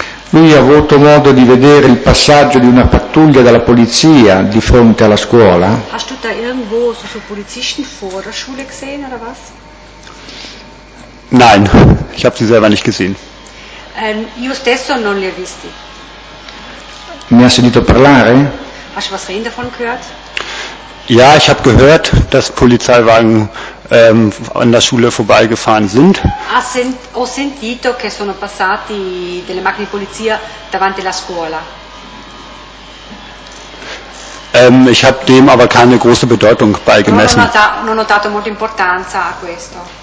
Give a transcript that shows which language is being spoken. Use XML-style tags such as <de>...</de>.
<it>Lui ha avuto modo di vedere il passaggio di una pattuglia della polizia di fronte alla scuola?</it> <de>Hast du da irgendwo so Polizisten vor der Schule gesehen oder was? Nein, ich habe sie selber nicht gesehen.</de> <it>Io stesso non li ho visti. Ne ha sentito parlare?</it> <de>Hast du was reden davon gehört? Ja, ich habe gehört, dass Polizeiwagen an der Schule vorbeigefahren sind.</de> <it>Ah, ho sentito che sono passati delle macchine di polizia davanti alla scuola.</it> <de>Ich habe dem aber keine große Bedeutung beigemessen.</de> <it>Non ho dato molta importanza a questo.</it>